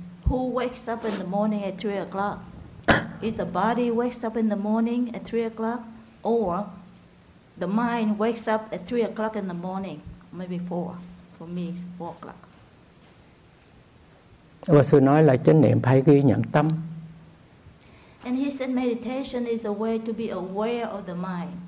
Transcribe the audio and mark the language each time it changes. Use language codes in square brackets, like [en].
[en] Who wakes up in the morning at 3 o'clock? Is the body wakes up in the morning at 3 o'clock? Or the mind wakes up at 3 o'clock in the morning? Maybe 4. For me, 4 o'clock. [vi] Và sư nói là chánh niệm phải ghi nhận tâm. [en] And he said meditation is a way to be aware of the mind.